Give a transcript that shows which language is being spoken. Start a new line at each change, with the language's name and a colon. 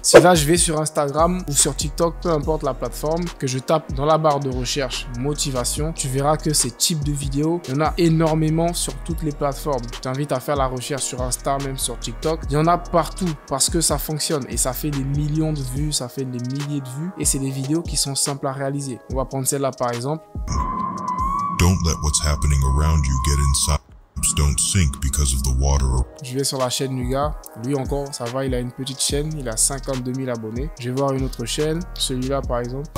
French: Si là je vais sur Instagram ou sur TikTok, peu importe la plateforme, que je tape dans la barre de recherche motivation, tu verras que ces types de vidéos, il y en a énormément sur toutes les plateformes. Je t'invite à faire la recherche sur Insta, même sur TikTok. Il y en a partout parce que ça fonctionne et ça fait des millions de vues, ça fait des milliers de vues et c'est des vidéos qui sont simples à réaliser. On va prendre celle-là par exemple.
English: Don't let what's happening around you get inside. Don't sink because of the water.
French: Je vais sur la chaîne Nuga. Lui encore, ça va, il a une petite chaîne. Il a 52 000 abonnés. Je vais voir une autre chaîne, celui-là par exemple.